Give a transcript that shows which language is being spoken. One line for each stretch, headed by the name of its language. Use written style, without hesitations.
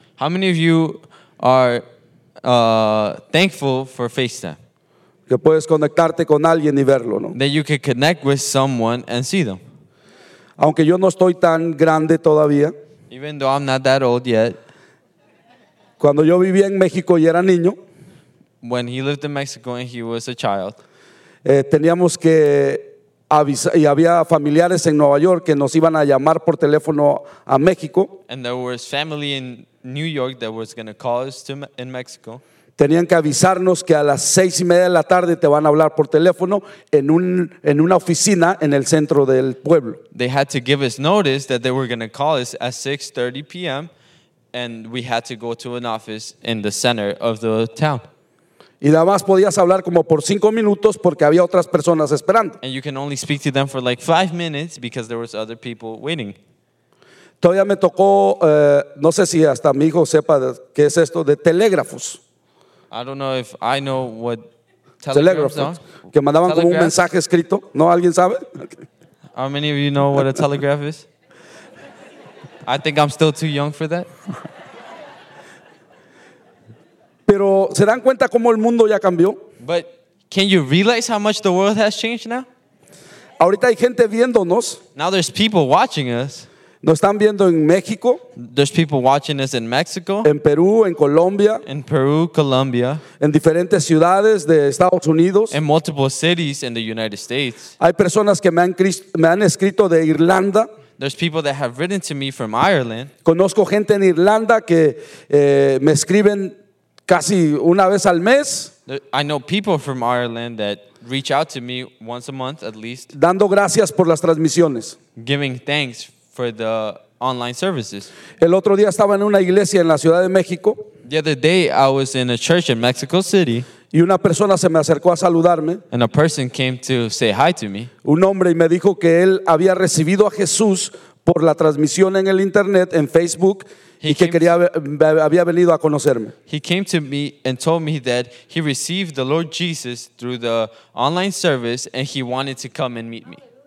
English: How many of you are thankful for FaceTime?
Spanish: Que puedes conectarte con alguien y verlo, ¿no?
English: That you can connect with someone and see them.
Spanish: Aunque yo no estoy tan grande todavía.
English: Even though I'm not that old yet.
Spanish: Cuando yo vivía en México y era niño.
English: When he lived in Mexico and he was a child.
Spanish: Teníamos que avisar y había familiares en Nueva York que nos iban a llamar por teléfono a México.
English: And there was family in New York that was going to call us to in Mexico.
Spanish: Tenían que avisarnos que a las 6:30 de la tarde te van a hablar por teléfono en una oficina en el centro del pueblo.
English: They had to give us notice that they were going to call us at 6:30 p.m. and we had to go to an office in the center of the town.
Spanish: Y nada más podías hablar como por 5 minutos porque había otras personas esperando.
English: And you can only speak to them for like 5 minutes because there was other people waiting.
Spanish: Todavía me tocó, no sé si hasta mi hijo sepa qué es esto, de telégrafos.
English: I don't know if I know what telegraphs are.
Spanish: Que mandaban como un mensaje escrito. ¿No alguien sabe?
English: Okay. How many of you know what a telegraph is? I think I'm still too young for that.
Spanish: Pero ¿se dan cuenta cómo el mundo ya cambió?
English: But can you realize how much the world has changed now?
Spanish: Ahorita hay gente viéndonos.
English: Now there's people watching us.
Spanish: Nos están viendo en México.
English: There's people watching us in Mexico.
Spanish: En Perú, en Colombia.
English: In Peru, Colombia.
Spanish: En diferentes ciudades de Estados Unidos.
English: In multiple cities in the United States.
Spanish: Hay personas que me han escrito de Irlanda.
English: There's people that have written to me from Ireland.
Spanish: Conozco gente en Irlanda que me escriben casi una vez al mes.
English: I know people from Ireland that reach out to me once a month at least.
Spanish: Dando gracias por las transmisiones.
English: Giving thanks for the online services.
Spanish: El otro día estaba en una iglesia en la Ciudad de México.
English: The other day I was in a church in Mexico City.
Spanish: Y una persona se me acercó a saludarme.
English: And a person came to say hi to me.
Spanish: Un hombre y me dijo que él había recibido a Jesús por la transmisión en el internet, en Facebook, y que quería había venido a conocerme.
English: He came to me and told me that he received the Lord Jesus through the online service and he wanted to come and meet me.